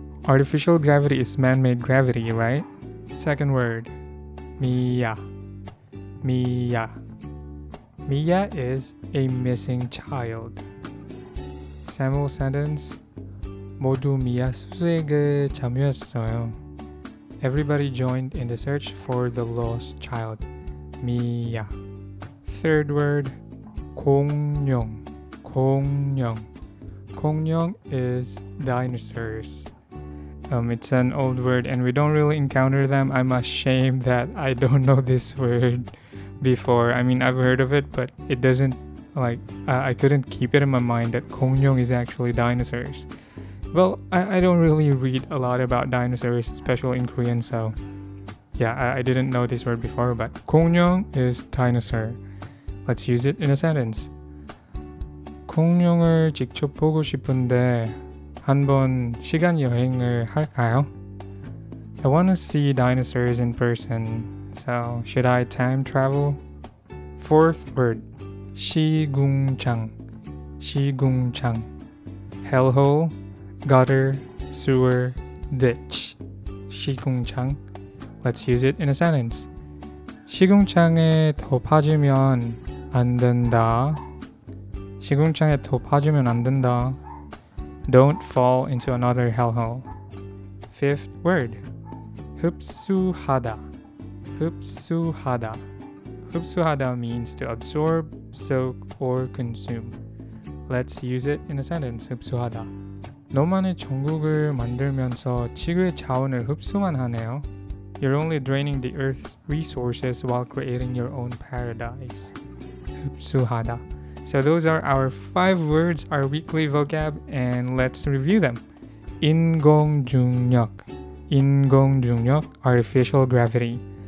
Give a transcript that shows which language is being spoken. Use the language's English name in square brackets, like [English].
[English] Artificial gravity is man-made gravity, right? Second word, 미야. 미야. 미야 is a missing child. Sample sentence, [Korean] 모두 미야 수색에 참여했어요. [English] Everybody joined in the search for the lost child. 미야. Third word, [Korean] 공룡. 공룡. [English] 공룡 is dinosaurs. It's an old word and we don't really encounter them. I'm ashamed that I don't know this word before. I mean, I've heard of it, but it doesn't, like, I couldn't keep it in my mind that 공룡 is actually dinosaurs. Well, I don't really read a lot about dinosaurs, especially in Korean, so yeah, I didn't know this word before, but 공룡 is dinosaur. Let's use it in a sentence. [Korean] 공룡을 직접 보고 싶은데 한번 시간 여행을 할까요? [English] I want to see dinosaurs in person, so should I time travel? Fourth word, [Korean] 시궁창. 시궁창. [English] Hellhole, gutter, sewer, ditch. [Korean] 시궁창. [English] Let's use it in a sentence. [Korean] 시궁창에 더 빠지면 안 된다. 시궁창에 더 빠지면 안 된다. [English] Don't fall into another hellhole. Fifth word. [Korean] 흡수하다. 흡수하다. [English] 흡수하다 means to absorb, soak, or consume. Let's use it in a sentence. 흡수하다. [Korean] 너만의 정국을 만들면서 지구의 자원을 흡수만 하네요. [English] You're only draining the Earth's resources while creating your own paradise. [Korean] 흡수하다. [English] So those are our five words, our weekly vocab, and let's review them. [Korean] 인공중력. 인공중력, [English] artificial gravity.